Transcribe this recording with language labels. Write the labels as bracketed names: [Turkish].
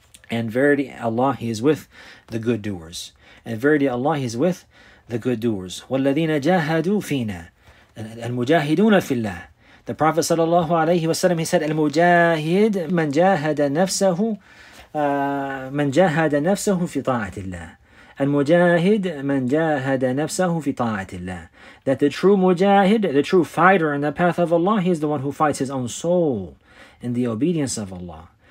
[English] And verily Allah, He is with the good doers. And verily Allah, He is with the good doers. [Arabic] وَالَّذِينَ جَاهَدُوا فِينَا الْمُجَاهِدُونَ فِي اللَّهِ. [English] The Prophet [Arabic] sallallahu alayhi wa sallam, he said, الْمُجَاهِدْ مَنْ جَاهَدَ نَفْسَهُ مَنْ جَاهَدَ نَفْسَهُ فِي طَاعَةِ اللَّهِ. المجاهد من جاهد نفسه في طاعة الله. [English] That the true mujahid, the true fighter in the path of Allah, he is the one who fights his own soul in the obedience of Allah.